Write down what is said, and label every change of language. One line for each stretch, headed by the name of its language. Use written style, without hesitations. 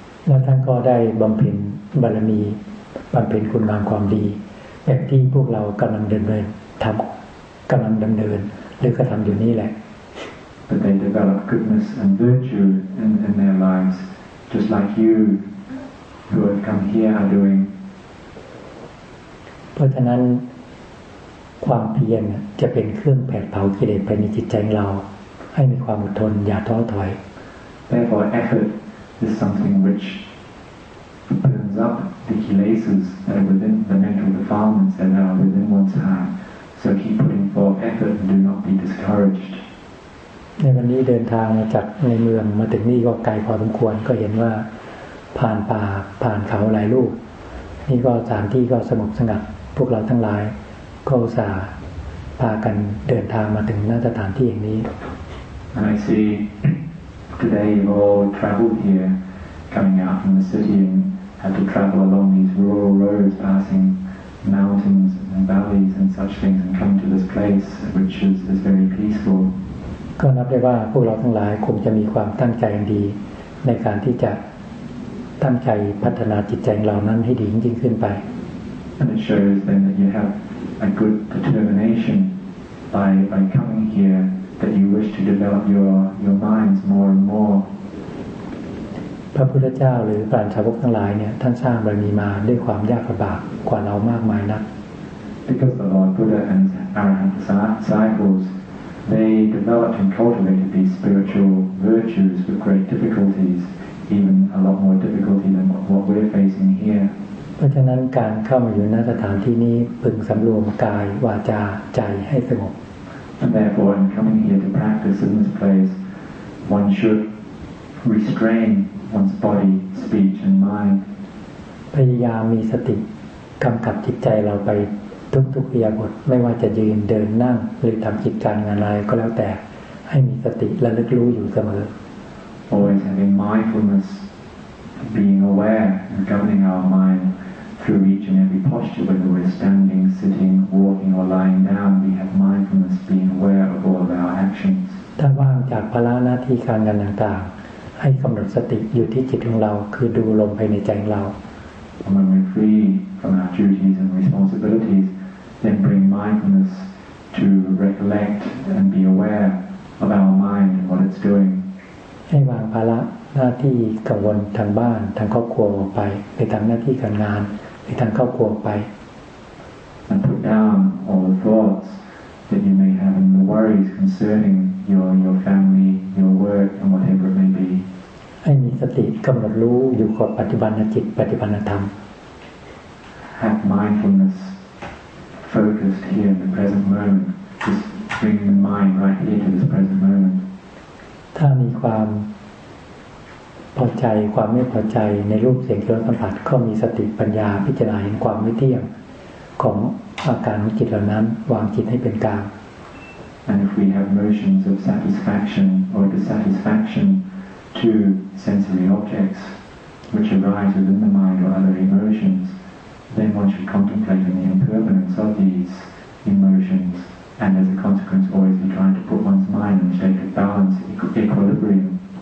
Thai: และท่านก็ได้บำเพ็ญบารมีบำเพ็ญคุณงามความดีแบบที่พวกเรากำลังเดินไปทำกำลังดำเนินหรือกระทำอยู่นี่แหละ
English: But they develop goodness and virtue in their lives, just like you who have come here are doing.
Thai: เพราะฉะนั้นความเพียรจะเป็นเครื่องแผดเผากิเลสภายในจิตใจเราให้มีความอดทนอย่าท้อถอย
English: Therefore, effort is something which burns up the kilesas that are within the mental defilements that are within one's heart. So keep putting forth effort and do not be discouraged.
Thai: ในวันนี้เดินทางมาจากในเมืองมาถึงนี่ก็ไกลพอสมควรก็เห็นว่าผ่านป่าผ่านเขาหลายลูกนี่ก็สถานที่ก็สงบสงัดพวกเราทั้งหลายก็อุตส่าห์พากันเดินทางมาถึงณสถานที่อย่างนี้
English: And I see today you've all traveled here coming out from the city and had to travel along these rural roads passingmountains and valleys and such things and come to this place which is very peaceful
Thai: ก็นับได้ว่าพวกเราทั้งหลายคงจะมีความตั้งใจดีในการที่จะตั้งใจพัฒนาจิตใจเรานั้นให้ดียิ่งขึ้นไป
English: And it shows then that you have a good determination by coming here that you wish to develop your minds more and more
Thai: ระพุทธเจ้าหรือพระอรหันตสาวกทั้งหลายเนี่ยท่านสร้างบารมีมาด้วยความยากลำบากกว่าเรามากมายนัก
English: Because the Lord Buddha and Arahant disciples they developed and cultivated these spiritual virtues with great difficulties even a lot more difficulty than what we're facing here
Thai: เพราะฉะนั้นการเข้ามาอยู่ณสถานที่นี้พึงสำรวมกายวาจาใจให้สงบ
English: And therefore in coming here to practice in this place one shouldrestrain one's body speech and mind
Thai: พยายามมีสติกำกับจิตใจเราไปทุกๆอิริยาบถไม่ว่าจะยืนเดินนั่งหรือทำกิจการงานอะไรก็แล้วแต่ให้มีสติระลึกรู้อยู่เสม
English: อ always having mindfulness being aware and governing our mind through each and every posture whether we're standing sitting walking or lying down we have mindfulness being aware of all of our actions
Thai: ถ้าว่างจากภาระหน้าที่การงานต่างๆให้กำหนดสติอยู่ที่จิตของเราคือดูลมภายในใจของเรา
English: When we're free from our duties and responsibilities then bring mindfulness to recollect and be aware of our mind and what it's doing
Thai: ให้วางภาระหน้าที่กังวลทางบ้านทางครอบครัวไปไปทำหน้าที่การงานไปทางครอบครัวไป
English: And put down all the thoughts that you may have and the worries concerningyour family your work and whatever it may be
Thai: ให้มีสติกำหนดรู้อยู่กับปัจจุบันจิตปัจจุบันธรรม
English: have mindfulness focused here in the present moment just bring the mind right here to this present moment
Thai: ถ้ามีความพอใจความไม่พอใจในรูปเสียงที่เราสัมผัสก็มีสติปัญญาพิจารณาเห็นความไม่เที่ยงของอาการของจิตเหล่านั้นวางจิตให้เป็นกลาง
English: And if we have motions of satisfaction or dissatisfaction to sensory objects which arise within the mind or other emotions, then one should contemplate the impermanence of these emotions and as a consequence always be trying to put one's mind in a state of balance, equilibrium.